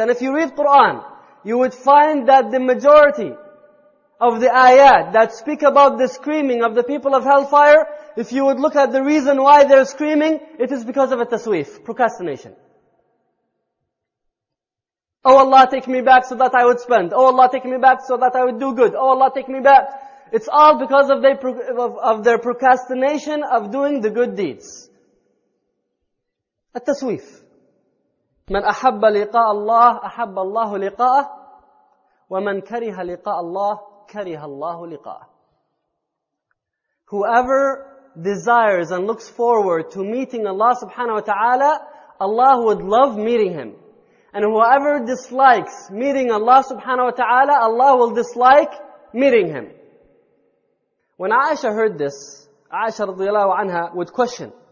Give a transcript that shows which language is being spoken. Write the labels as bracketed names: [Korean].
[English] And if you read Quran, you would find that the majority of the ayat that speak about the screaming of the people of hellfire, if you would look at the reason why they're screaming, it is because of a taswif, procrastination. Oh Allah, take me back so that I would spend. Oh Allah, take me back so that I would do good. Oh Allah, take me back. It's all because of their procrastination of doing the good deeds. A taswif. [Arabic] من أحب لقاء الله أحب الله لقاءه ومن كره لقاء الله كره الله لقاءه. [English] Whoever desires and looks forward to meeting Allah subhanahu wa ta'ala, Allah would love meeting him. And whoever dislikes meeting Allah subhanahu wa ta'ala, Allah will dislike meeting him. When Aisha heard this, Aisha radiallahu anha would question.